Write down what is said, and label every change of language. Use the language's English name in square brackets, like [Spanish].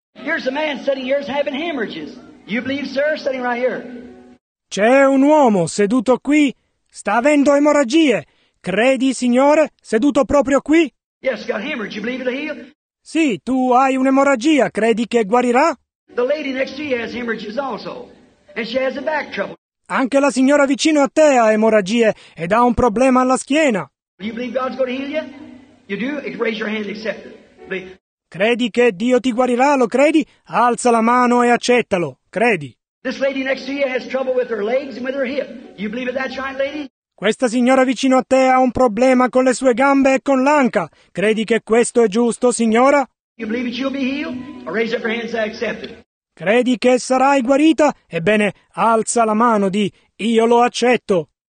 [English] Here's a man sitting here having hemorrhages. You believe, sir, sitting right here? [Italian] C'è un uomo seduto qui. Sta avendo emorragie. Credi, signore, seduto proprio qui? [English] Yes, got hemorrhage. You believe it'll heal? [Italian] Sì, tu hai un'emorragia. Credi che guarirà? [English] The lady next to you has hemorrhages also. And she has a back trouble. [Italian] Anche la signora vicino a te ha emorragie ed ha un problema alla schiena. [English] You believe God's going to heal you? You do? Raise your hand and accept it. [Italian] Credi che Dio ti guarirà, lo credi? Alza la mano e accettalo, credi. [English] This lady next to you has trouble with her legs and with her hip. You believe that's right, lady? [Italian] Questa signora vicino a te ha un problema con le sue gambe e con l'anca. Credi che questo è giusto, signora? [English] You believe that you'll be healed? Or raise up your hand and say accept it. [Italian] Credi che sarai guarita? Ebbene, alza la mano, di io lo accetto.